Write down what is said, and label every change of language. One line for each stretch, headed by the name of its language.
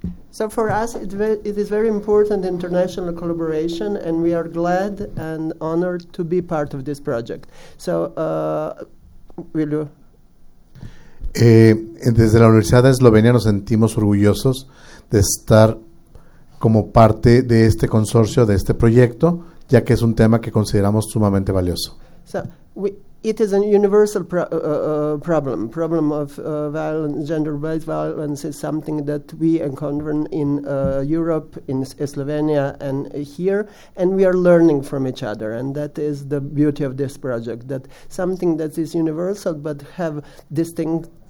English: So for us, it is very important international collaboration, and we are glad and honored to be part of this project. So, will you?
Spanish: Desde la Universidad de Eslovenia nos sentimos orgullosos de estar como parte de este consorcio, de este proyecto, ya que es un tema que consideramos sumamente valioso.
English: So, it is a universal problem of violence, gender-based violence is something that we encounter in Europe, in Slovenia, and here, and we are learning from each other, and that is the beauty of this project, that something that is universal but have distinct